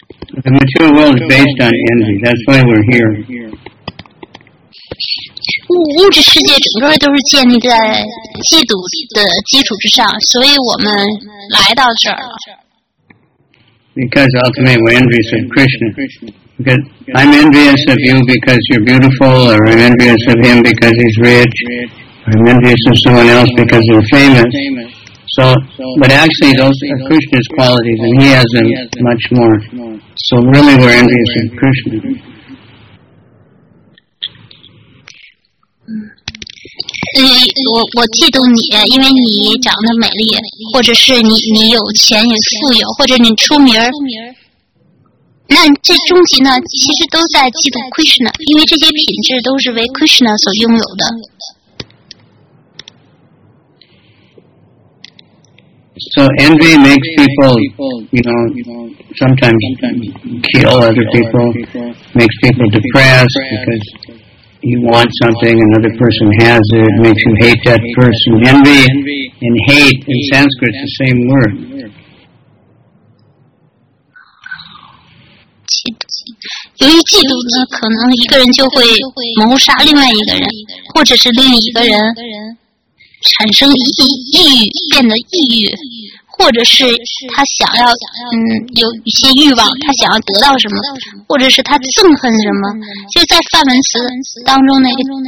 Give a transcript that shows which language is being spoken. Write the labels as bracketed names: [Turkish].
[English] The material world is based on envy, that's why we're here. [Chinese] 物质世界整个都是建立在嫉妒的基础之上，所以我们来到这儿了。 [English] Because ultimately we're envious of Krishna. Because I'm envious of you because you're beautiful, or I'm envious of him because he's rich, or I'm envious of someone else because they're famous. So, but actually those are Krishna's qualities, and he has them much more. So really we're envious of Krishna. [Chinese] 我嫉妒你，因为你长得美丽，或者是你有钱也富有，或者你出名儿。那这终极呢，其实都在嫉妒 Krishna， 因为这些品质都是为 Krishna 所拥有的。 [English] So envy makes people, you know, sometimes kill other people, makes people depressed because. You want something, another person has it, makes you hate that person. Envy and hate in Sanskrit is the same word. [Chinese] 由于嫉妒呢，可能一个人就会谋杀另外一个人，或者是另一个人产生抑郁，变得抑郁，或者是他想要有一些欲望，他想要得到什么，或者是他憎恨什么，就在梵文词当中那个。